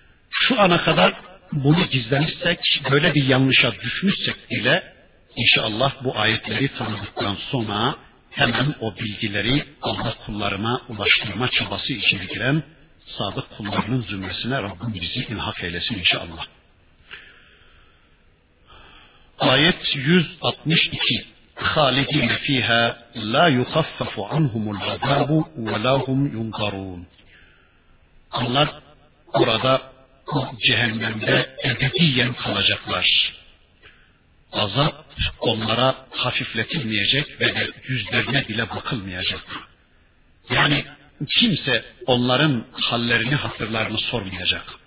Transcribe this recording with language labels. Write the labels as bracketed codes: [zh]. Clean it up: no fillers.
[tr] Şu ana kadar bunu gizlemişsek, böyle bir yanlışa düşmüşsek bile, inşallah bu ayetleri tanıdıktan sonra hemen o bilgileri Allah kullarına ulaştırma çabası içine giren sadık kullarının zümresine Rabbim bizi ilhak eylesin inşallah. Ayet 162. [ar] خالدين فيها لا يخفف عنهم العذاب ولا هم ينظرون. [tr] Onlar orada cehennemde ebediyen kalacaklar. Azap onlara hafifletilmeyecek ve yüzlerine bile bakılmayacak. Yani kimse onların hallerini, hatırlarını sormayacak.